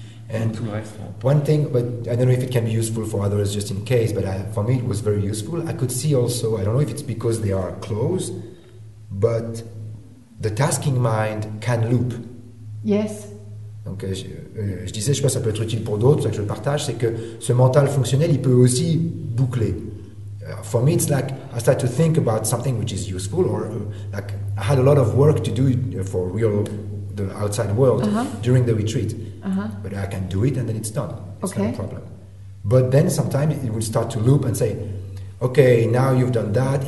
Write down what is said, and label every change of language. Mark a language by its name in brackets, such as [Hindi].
[English] And one thing, but I don't know if it can be useful for others just in case, but for me it was very useful. I could see also, I don't know if it's because they are close, but the tasking mind can loop. Yes. [French] Donc je disais, je sais pas, ça peut être utile pour d'autres, ça que je le partage, c'est que ce mental fonctionnel, il peut aussi boucler. [English] For me, it's like I start to think about something which is useful, or like I had a lot of work to do for real, the outside world, during the retreat. Uh-huh. But I can do it, and then it's done. It's okay. Not a problem. But then sometimes it will start to loop and say, okay, now you've done that.